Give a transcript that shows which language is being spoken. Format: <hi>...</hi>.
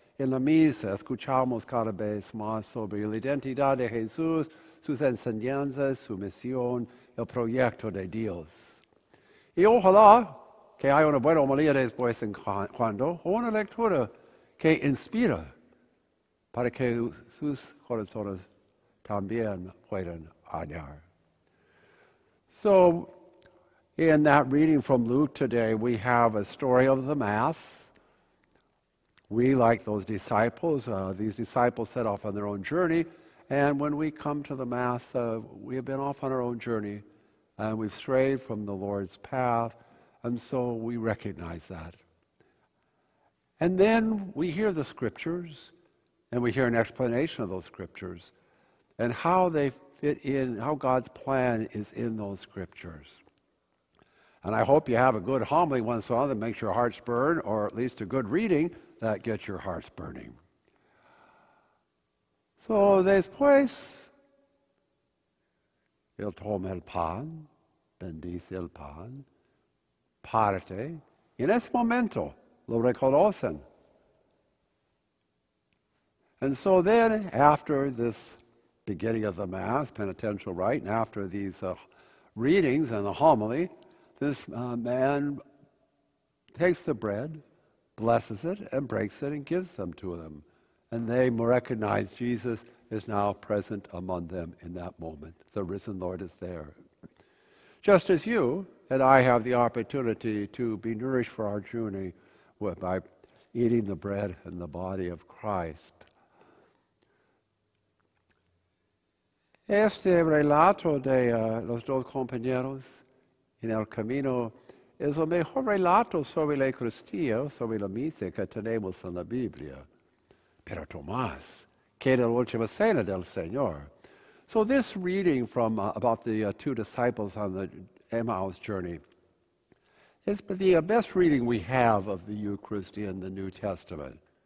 <es>En la misa escuchamos cada vez más sobre la identidad de Jesús, sus enseñanzas, su misión, el proyecto de Dios. Y ojalá que haya una buena homilía después en cuando, o una lectura que inspira para que sus corazones también puedan añadir.</es> <en>So, in that reading from Luke today, we have a story of the Mass. We, like those disciples, these disciples set off on their own journey, and when we come to the Mass, we have been off on our own journey, and we've strayed from the Lord's path, and so we recognize that. And then we hear the scriptures, and we hear an explanation of those scriptures, and how they fit in, how God's plan is in those scriptures. And I hope you have a good homily once in a while that makes your hearts burn, or at least a good reading that gets your hearts burning.</en> <es>So, después, él toma el pan, bendice el pan, parte, y en ese momento lo reconocen.</es> <en>And so then, after this beginning of the Mass, penitential rite, and after these readings and the homily, this man takes the bread, blesses it, and breaks it, and gives them to them. And they recognize Jesus is now present among them in that moment. The risen Lord is there. Just as you and I have the opportunity to be nourished for our journey by eating the bread and the body of Christ.</en> <es>Este relato de los dos compañeros en el camino es el mejor relato sobre la Eucaristía, sobre la misa que tenemos en la Biblia. Pero Tomás, que era la última cena del Señor.</es> <en>So this reading from about the two disciples on the Emmaus journey is the best reading we have of the Eucharist in the New Testament.</en>